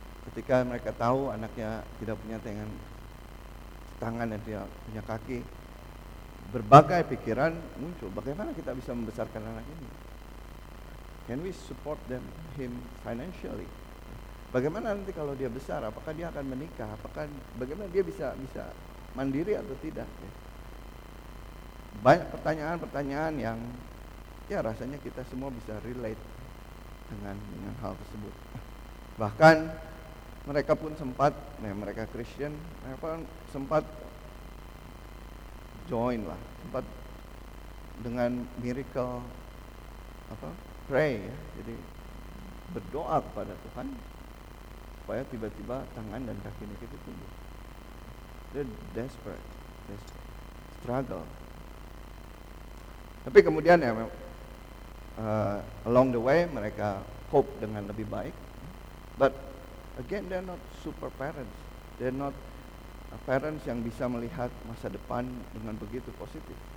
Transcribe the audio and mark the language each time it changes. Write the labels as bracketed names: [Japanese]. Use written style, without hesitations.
[Indonesian] Ketika mereka tahu anaknya tidak punya tangan dan tidak punya kaki, berbagai pikiran muncul. Bagaimana kita bisa membesarkan anak ini? [English] Can we support him financially? [Indonesian] Bagaimana nanti kalau dia besar? Apakah dia akan menikah? Apakah bagaimana dia bisa mandiri atau tidak? Banyak pertanyaan-pertanyaan yang ya rasanya kita semua bisa relate dengan hal tersebut. Bahkan mereka pun sempat, nah mereka Christian, mereka sempat join lah, sempat dengan miracle pray ya, jadi berdoa kepada Tuhan supaya tiba-tiba tangan dan kaki Nick itu tumbuh. [English] They're desperate, struggle. [Indonesian] Tapi kemudian ya, [English] along the way [Indonesian] mereka cope dengan lebih baik. [English] But again, they're not super parents. They're not parents [Indonesian] yang bisa melihat masa depan dengan begitu positif.